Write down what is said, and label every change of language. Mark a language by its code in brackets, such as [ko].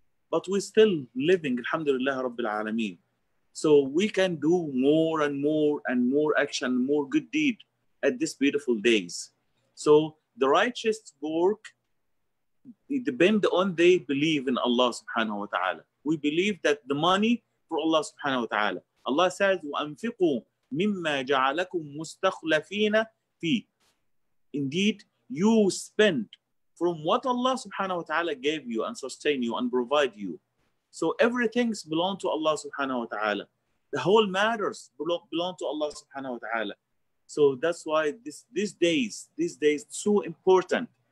[en] But we're still living, alhamdulillah rabbil alameen. So we can do more and more and more action, more good deed at these beautiful days. So the righteous work depends on they believe in Allah subhanahu wa ta'ala. We believe that the money for Allah subhanahu wa ta'ala. Allah says, [ar] وَأَنْفِقُوا مِمَّا جَعَلَكُمْ مُسْتَخْلَفِينَ فِيهِ. [en] Indeed, you spend from what Allah subhanahu wa ta'ala gave you and sustain you and provide you. So everything belongs to Allah subhanahu wa ta'ala. The whole matters belong to Allah subhanahu wa ta'ala. So that's why these days, so important.